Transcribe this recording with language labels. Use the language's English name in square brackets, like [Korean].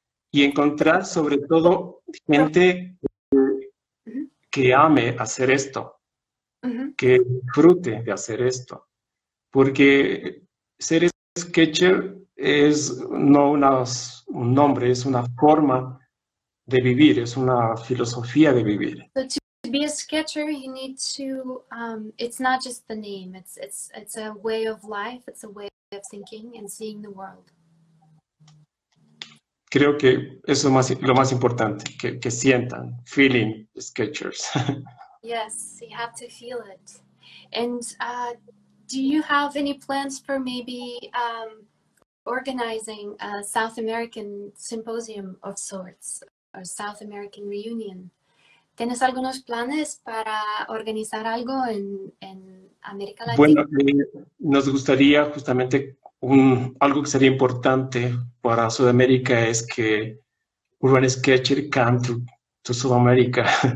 [Spanish] Y encontrar, sobre todo, gente que ame hacer esto, que disfrute de hacer esto. Porque ser sketcher es no un nombre, es una forma de vivir, es una filosofía de vivir. [English] To be a sketcher, you need to, it's not just the name, it's a way of life, it's a way of thinking and seeing the world. [Spanish] Creo que eso es más, lo más importante, que sientan, [English] feeling sketchers. Yes, you have to feel it. And do you have any plans for maybe organizing a South American symposium of sorts, or South American reunion? [Spanish] ¿Tienes algunos planes para organizar algo en América Latina? Bueno, nos gustaría justamente algo que sería importante para Sudamérica es que Urban Sketcher [English] come to South America.